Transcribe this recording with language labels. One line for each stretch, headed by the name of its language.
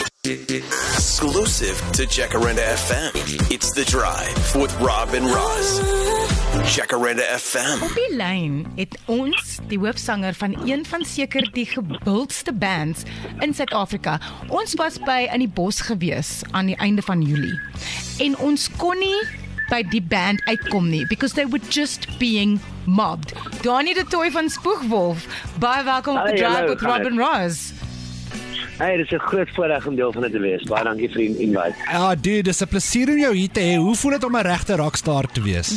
English: Exclusive to Jacaranda FM, it's The Drive with Rob and Roz. Jacaranda FM.
Afrikaans: Op die lyn het ons die hoofsanger van een van seker die gebuldste bands in Suid-Afrika. Ons was by in die bos gewees aan die einde van Julie. En ons kon nie by die band uitkom nie,
English: because they were just being mobbed.
Afrikaans: Dani de Tooi van Spoegwolf, baie welkom op The Drive with Rob and Roz. Hey, dit is 'n groot voorreg om deel van dit te wees. Baie dankie vir die invite. Ja, dude, dit is 'n plesier om jou hier te hê. Hoe voel dit om 'n regte rockstar te wees?